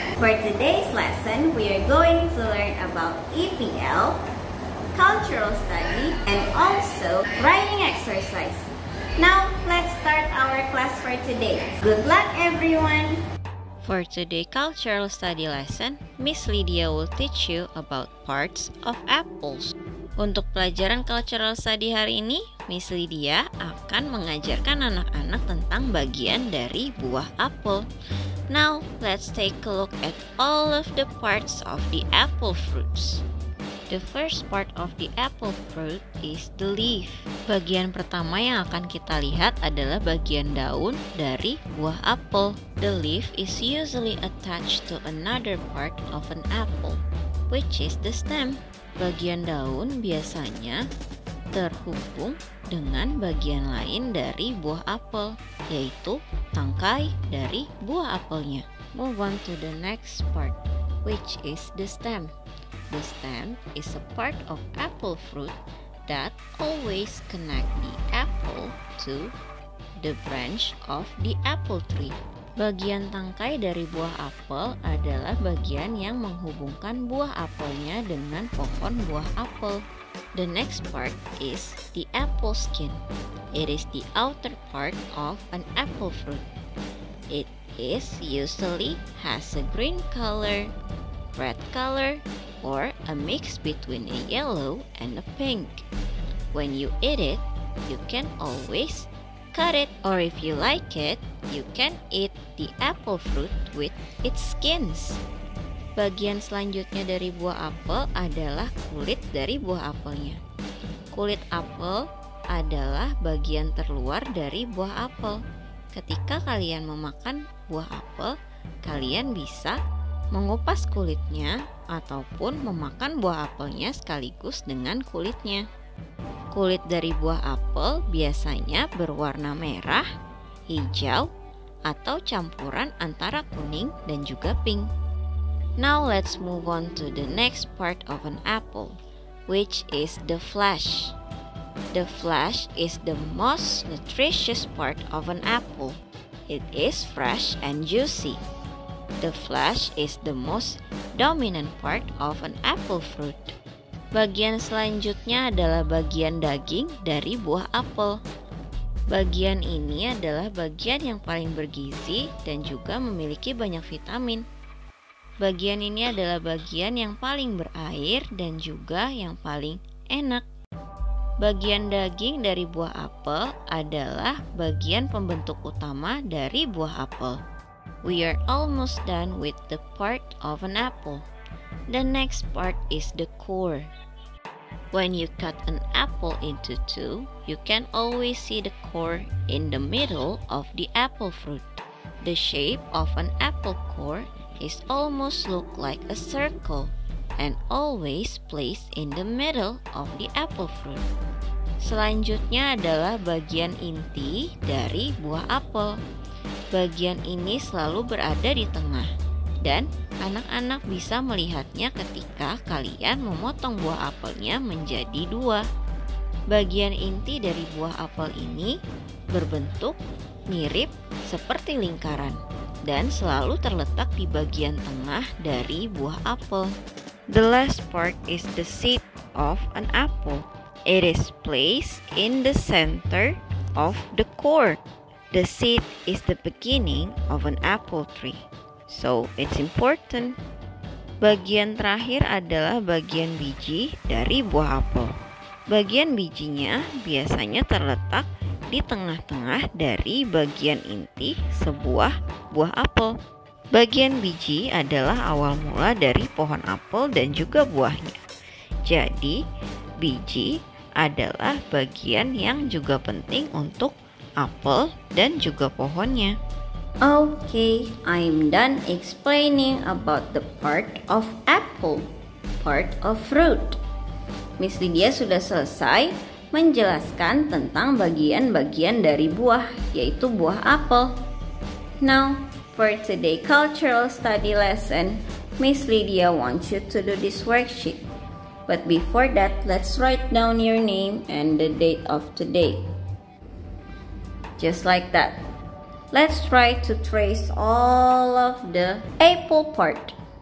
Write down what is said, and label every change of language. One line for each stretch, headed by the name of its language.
English: For today's lesson, we are going to learn about EPL, cultural study, and also writing exercise. Now, let's start our class for today. Good luck, everyone! For today's cultural study lesson, Miss Lydia will teach you about parts of apples.
Indonesian: Untuk pelajaran cultural study hari ini, Miss Lydia akan mengajarkan anak-anak tentang bagian dari buah apel.
English: Now, let's take a look at all of the parts of the apple fruits. The first part of the apple fruit is the leaf.
Indonesian: Bagian pertama yang akan kita lihat adalah bagian daun dari buah apel.
English: The leaf is usually attached to another part of an apple, which is the stem.
Indonesian: Bagian daun biasanya terhubung dengan bagian lain dari buah apel, yaitu tangkai dari buah apelnya.
English: Move on to the next part, which is the stem. The stem is a part of apple fruit that always connect the apple to the branch of the apple tree.
Indonesian: Bagian tangkai dari buah apel adalah bagian yang menghubungkan buah apelnya dengan pohon buah apel.
English: The next part is the apple skin. It is the outer part of an apple fruit. It is usually has a green color, red color, or a mix between a yellow and a pink. When you eat it, you can always cut it, or if you like it, you can eat the apple fruit with its skins.
Indonesian: Bagian selanjutnya dari buah apel adalah kulit dari buah apelnya. Kulit apel adalah bagian terluar dari buah apel. Ketika kalian memakan buah apel, kalian bisa mengupas kulitnya ataupun memakan buah apelnya sekaligus dengan kulitnya. Kulit dari buah apel biasanya berwarna merah, hijau, atau campuran antara kuning dan juga pink.
English: Now let's move on to the next part of an apple, which is the flesh. The flesh is the most nutritious part of an apple. It is fresh and juicy. The flesh is the most dominant part of an apple fruit.
Indonesian: Bagian selanjutnya adalah bagian daging dari buah apel. Bagian ini adalah bagian yang paling bergizi dan juga memiliki banyak vitamin. Bagian ini adalah bagian yang paling berair dan juga yang paling enak. Bagian daging dari buah apel adalah bagian pembentuk utama dari buah apel.
English: We are almost done with the part of an apple. The next part is the core. When you cut an apple into two, you can always see the core in the middle of the apple fruit. The shape of an apple core is almost look like a circle and always placed in the middle of the apple fruit.
Indonesian: Selanjutnya adalah bagian inti dari buah apel. Bagian ini selalu berada di tengah dan anak-anak bisa melihatnya ketika kalian memotong buah apelnya menjadi dua. Bagian inti dari buah apel ini berbentuk mirip seperti lingkaran dan selalu terletak di bagian tengah dari buah apel.
English: The last part is the seed of an apple. It is placed in the center of the core. The seed is the beginning of an apple tree. So, it's important.
Indonesian: Bagian terakhir adalah bagian biji dari buah apel. Bagian bijinya biasanya terletak di tengah-tengah dari bagian inti sebuah buah apel. Bagian biji adalah awal mula dari pohon apel dan juga buahnya. Jadi, biji adalah bagian yang juga penting untuk apel dan juga pohonnya.
English: Okay, I'm done explaining about the part of apple, part of fruit.
Indonesian: Miss Lydia sudah selesai menjelaskan tentang bagian-bagian dari buah, yaitu buah apel.
English: Now, for today's cultural study lesson, Miss Lydia wants you to do this worksheet. But before that, let's write down your name and the date of today. Just like that. Let's try to trace all of the apple part.